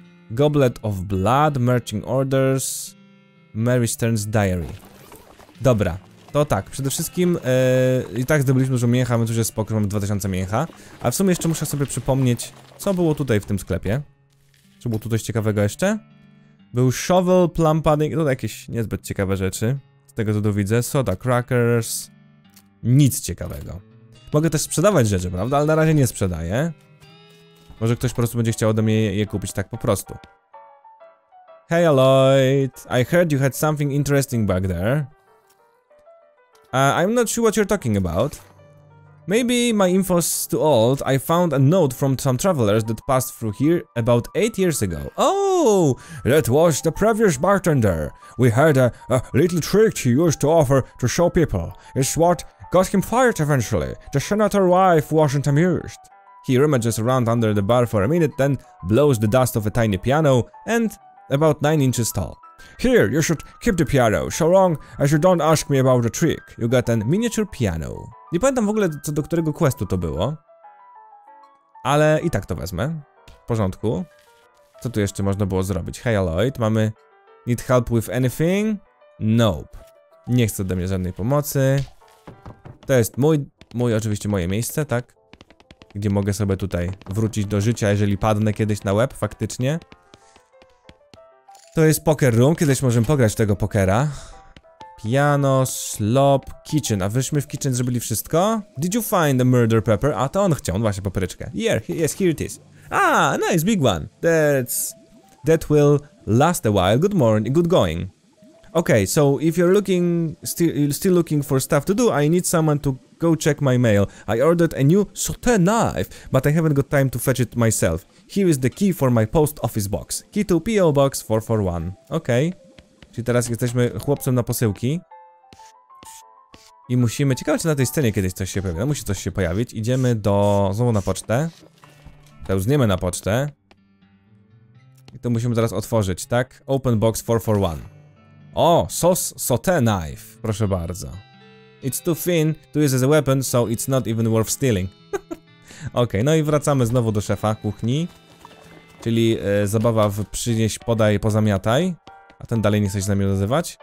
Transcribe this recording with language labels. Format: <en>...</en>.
<en>Goblet of Blood, Merging Orders, Mary Stern's Diary.</en> <pl>Dobra, to tak, przede wszystkim i tak zdobyliśmy dużo mięcha, my tu już jest spoko, mamy 2000 mięcha. A w sumie jeszcze muszę sobie przypomnieć, co było tutaj w tym sklepie. Czy było tu coś ciekawego jeszcze? Był shovel, plum pudding, to jakieś niezbyt ciekawe rzeczy. Z tego co tu widzę, soda crackers. Nic ciekawego. Mogę też sprzedawać rzeczy, prawda, ale na razie nie sprzedaję. Może ktoś po prostu będzie chciał ode mnie je kupić tak po prostu.</pl> <en>Hey Aloyd, I heard you had something interesting back there. I'm not sure what you're talking about. Maybe my info's too old. I found a note from some travelers that passed through here about 8 years ago. Oh, that was the previous bartender. We had a little trick he used to offer to show people. It's what got him fired eventually. The senator's wife wasn't amused. He rummages around under the bar for a minute, then blows the dust off a tiny piano and about 9 inches tall. Here, you should keep the piano, so long as you don't ask me about the trick. You get a miniature piano.</en> <pl>Nie pamiętam w ogóle, co do którego questu to było. Ale i tak to wezmę. W porządku. Co tu jeszcze można było zrobić? Hey Aloyd, mamy...</pl> <en>Need help with anything? Nope.</en> <pl>Nie chcę ode mnie żadnej pomocy. To jest mój oczywiście moje miejsce, tak? Gdzie mogę sobie tutaj wrócić do życia, jeżeli padnę kiedyś na łeb, faktycznie. To jest poker room, kiedyś możemy pograć tego pokera. Piano, slop, kitchen. A wyśmy w kitchen zrobili wszystko?</pl> <en>Did you find the murder pepper?</en> <pl>A to on chciał, on właśnie papryczkę.</pl> <en>Here it is. Ah, nice, big one. That will last a while. Good morning, good going. Okay, so if you're looking, still looking for stuff to do, I need someone to go check my mail. I ordered a new saute knife, but I haven't got time to fetch it myself. Here is the key for my post office box. Key to PO Box 441. Okej. Okay.</en> <pl>Czyli teraz jesteśmy chłopcem na posyłki. I musimy... Ciekawe, czy na tej scenie kiedyś coś się pojawi. No, musi coś się pojawić. Idziemy do... Znowu na pocztę. Pełzniemy na pocztę. I to musimy teraz otworzyć, tak?</pl> <en>Open Box 441. O! Sauce saute knife.</en> <pl>Proszę bardzo.</pl> <en>It's too thin to use as a weapon, so it's not even worth stealing.</en> <pl>Okej, okay, no i wracamy znowu do szefa kuchni. Czyli zabawa w przynieś, podaj, pozamiataj. A ten dalej nie chce się z nami nazywać.</pl>